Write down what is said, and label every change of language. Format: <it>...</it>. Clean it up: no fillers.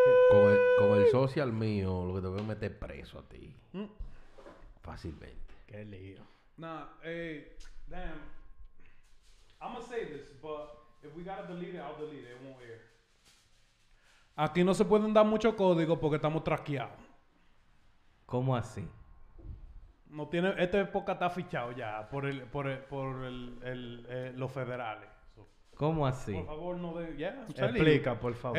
<es>con el social mío, lo que te voy a meter preso a ti. Fácilmente. Qué lío.</es> <en>Nah, hey, damn. I'm gonna say this, but if we gotta delete it, I'll delete it. It won't air.</en> <es>Aquí no se pueden dar mucho código porque estamos traqueados. ¿Cómo así? No tiene, esta época está fichado ya por los federales. ¿Cómo así? Por favor, no de, ya. Explica, por favor.</es>